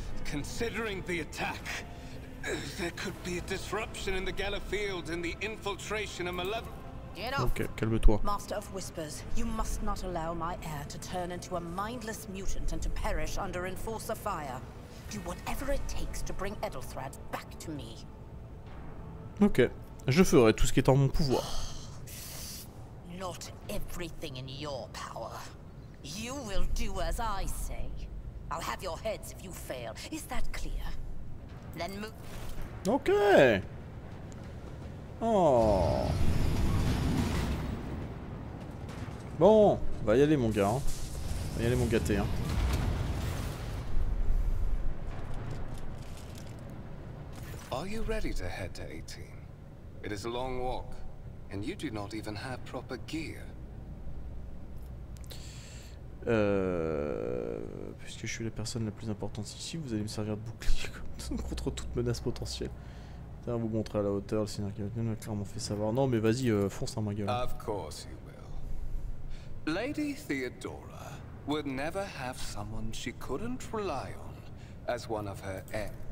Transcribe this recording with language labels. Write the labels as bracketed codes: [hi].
[en] Considering the attack, there could be a disruption in the Gala field and the infiltration of malevolent. Get off. [fr] Ok, calme-toi. [en] Master of Whispers, you must not allow my heir to turn into a mindless mutant and to perish under enforcer fire. Do whatever it takes to bring Ethelthrad back to me. [fr] Ok, je ferai tout ce qui est en mon pouvoir. [en] Not everything in your power. You will do as I say. I'll have your heads if you fail. Is that clear? Then move. Okay. Oh. [fr] Bon, va y aller mon gars. Hein. Va y aller mon gâté. Hein. [en] Are you ready to head to 18? It is a long walk. And you do not even have proper gear. [fr] Puisque je suis la personne la plus importante ici, vous allez me servir de bouclier contre toute menace potentielle. Tiens, vous montrer à la hauteur, le seigneur Gavin m'a clairement fait savoir. Non, mais vas-y, fonce hein, ma gueule. [en] Of course you will. Lady Theodora would never have someone she couldn't rely on as one of her heirs.